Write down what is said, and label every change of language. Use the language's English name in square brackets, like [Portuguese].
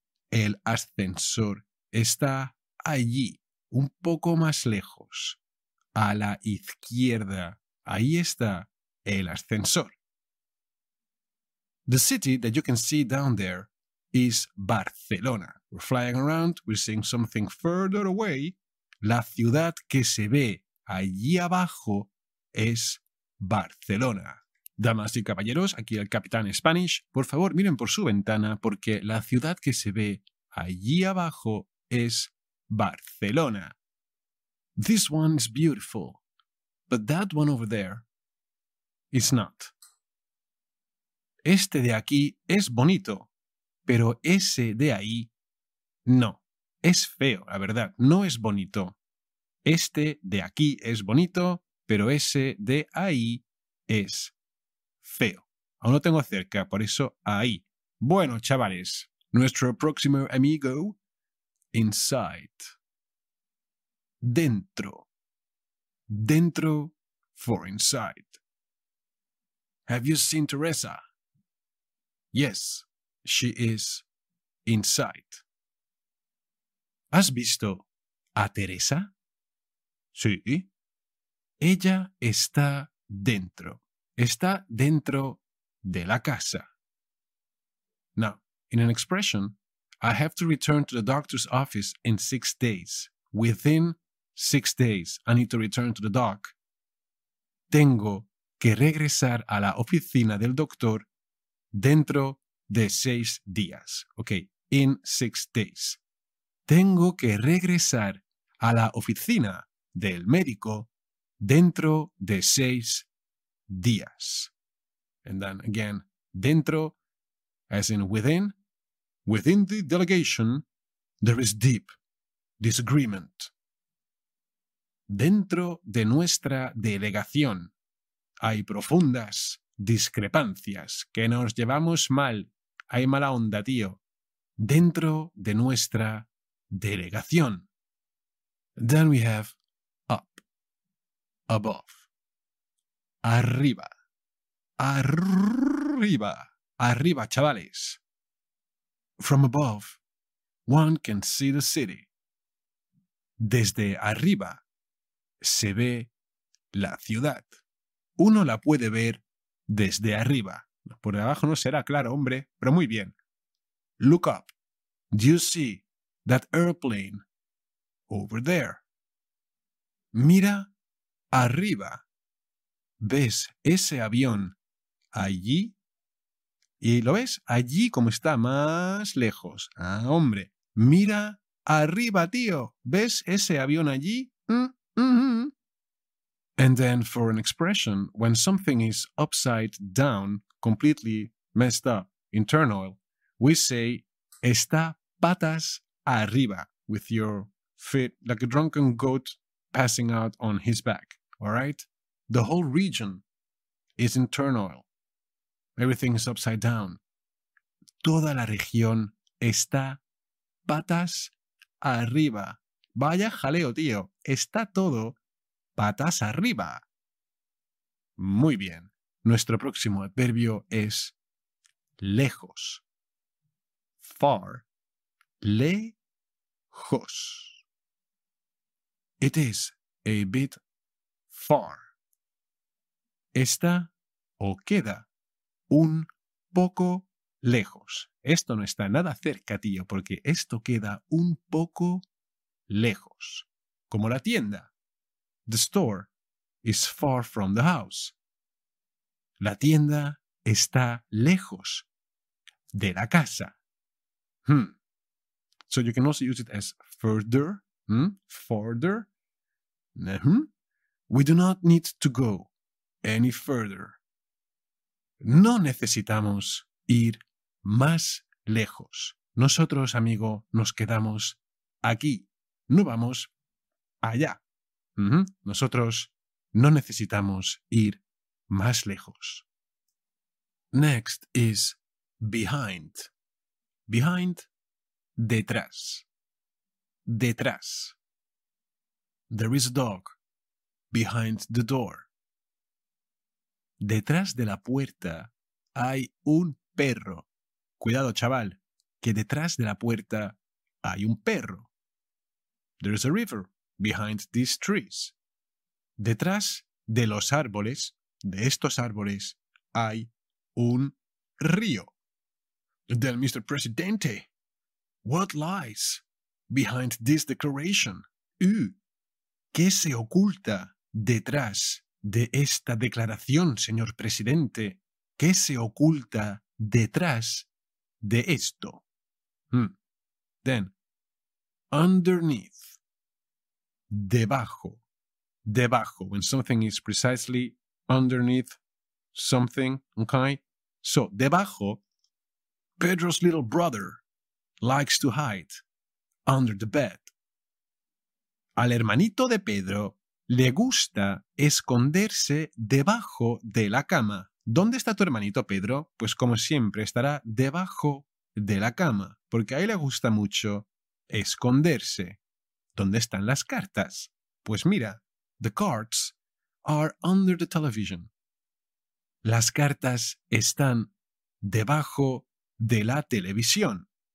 [Spanish] El ascensor está allí, un poco más lejos, a la izquierda. Ahí está el ascensor. [English] The city that you can see down there is Barcelona. We're flying around, we're seeing something further away. [Spanish] La ciudad que se ve allí abajo es Barcelona. Damas y caballeros, aquí el Capitán Spanish. Por favor, miren por su ventana porque la ciudad que se ve allí abajo es Barcelona. [English] This one is beautiful, but that one over there is not. [Spanish] Este de aquí es bonito, pero ese de ahí no. Es feo, la verdad. No es bonito. Este de aquí es bonito, pero ese de ahí es feo. Aún no tengo cerca, por eso ahí. Bueno, chavales, nuestro próximo amigo, [English] inside. [Spanish] Dentro. Dentro [English] for inside. Have you seen Teresa? Yes, she is inside. [Spanish] ¿Has visto a Teresa? Sí. Ella está dentro. Está dentro de la casa. [English] Now, in an expression, I have to return to the doctor's office in 6 days. Within 6 days, I need to return to the doc. [Spanish] Tengo que regresar a la oficina del doctor dentro de 6 días. [English] Okay, in 6 days. [Spanish] Tengo que regresar a la oficina del médico dentro de 6 días. [English] And then again, dentro, as in within. Within the delegation, there is deep disagreement. [Spanish] Dentro de nuestra delegación, hay profundas discrepancias. Que nos llevamos mal. Hay mala onda, tío. Dentro de nuestra delegación. [English] Then we have up. Above. [Spanish] Arriba. Arriba. Arriba, chavales. [English] From above, one can see the city. [Spanish] Desde arriba, se ve la ciudad. Uno la puede ver desde arriba. Por debajo no será, claro, hombre, pero muy bien. [English] Look up. Do you see that airplane over there? [Spanish] Mira arriba. ¿Ves ese avión allí? ¿Y lo ves allí como está más lejos? Ah, hombre. Mira arriba, tío. ¿Ves ese avión allí? [English] And then for an expression, when something is upside down, completely messed up, in turmoil, we say, [Spanish] está patas arriba, [English] with your feet like a drunken goat passing out on his back, all right? The whole region is in turmoil. Everything is upside down. [Spanish] Toda la región está patas arriba. Vaya jaleo, tío. Está todo patas arriba. Muy bien. Nuestro próximo adverbio es lejos. Far. Lejos. [English] It is a bit far. [Spanish] Está o queda un poco lejos. Esto no está nada cerca, tío, porque esto queda un poco lejos. Como la tienda. [English] The store is far from the house. [Spanish] La tienda está lejos de la casa. [English] So you can also use it as further. Further. We do not need to go any further. [Spanish] No necesitamos ir más lejos. Nosotros, amigo, nos quedamos aquí. No vamos allá. Nosotros no necesitamos ir más lejos. [English] Next is behind. Behind, detrás. Detrás. There is a dog behind the door. [Spanish] Detrás de la puerta hay un perro. Cuidado, chaval, que detrás de la puerta hay un perro. [English] There is a river behind these trees. [Spanish] Detrás de los árboles, de estos árboles, hay un río. [English] Then, Mr. Presidente, what lies behind this declaration? [Spanish] ¿Qué se oculta detrás de esta declaración, señor presidente? ¿Qué se oculta detrás de esto? [English] Then, underneath. [Spanish] Debajo. Debajo. [English] When something is precisely underneath something, okay? So, debajo, Pedro's little brother likes to hide under the bed. [Spanish] Al hermanito de Pedro le gusta esconderse debajo de la cama. ¿Dónde está tu hermanito Pedro? Pues como siempre, estará debajo de la cama, porque a él le gusta mucho esconderse. ¿Dónde están las cartas? Pues mira, [English] the cards are under the television. [Spanish] Las cartas están debajo de la televisión.